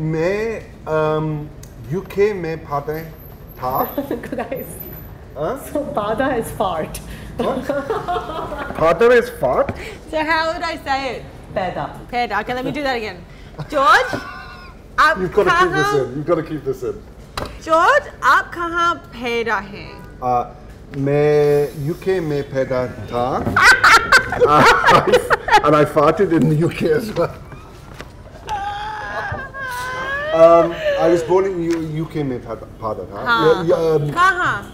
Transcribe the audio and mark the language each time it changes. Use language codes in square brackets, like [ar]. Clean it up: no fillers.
[hi] मैं UK में पढ़े था. [en] Guys. So पढ़े is fart. पढ़े is fart. So how would I say it? [hi] Peda. [en] Okay, let me do that again. George. You've got to keep this in. You've got to keep this in. [hi] George, आप कहाँ पैदा हैं? मैं UK में पैदा था. [en] And I farted in the UK as well. I was born in UK [hi] में पैदा था.